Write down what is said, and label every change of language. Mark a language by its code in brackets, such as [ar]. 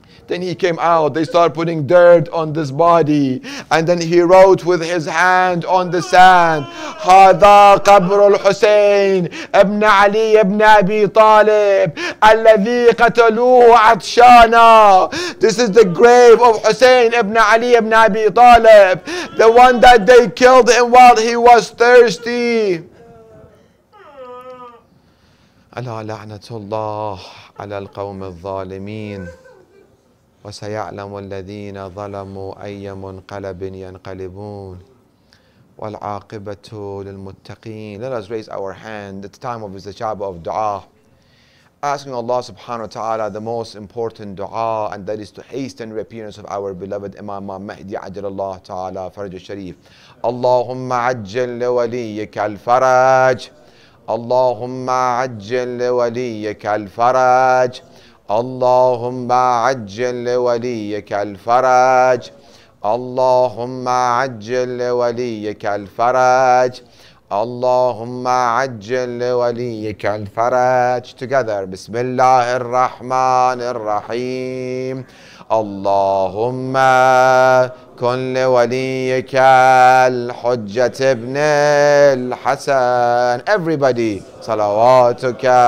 [en] Then he came out, they started putting dirt on this body, and then he wrote with his hand on the sand, [ar] هذا قبر الحسين ابن علي ابن أبي طالب الذي قتلوه عطشانا. [en] This is the grave of Hussein ibn Ali ibn Abi Talib, the one that they killed him while he was thirsty. [ar] ألا لعنة الله على القوم الظالمين وسيعلم الذين ظلموا أي منقلب ينقلبون والعاقبة للمتقين. [en] Let us raise our hand at the time of Istijaba of Dua, asking Allah subhanahu wa ta'ala the most important dua, and that is to hasten reappearance of our beloved Imam Mahdi ajalallah ta'ala faraj al-sharif. [ar] Allahumma ajjal li waliyika al-faraj. اللهم عجل لوليك الفرج اللهم عجل لوليك الفرج اللهم عجل لوليك الفرج اللهم عجل لوليك الفرج. [en] Together, [ar] بسم الله الرحمن الرحيم. اللهم كن لوليك الحجة ابن الحسن. [en] Everybody, [ar] صلواتك.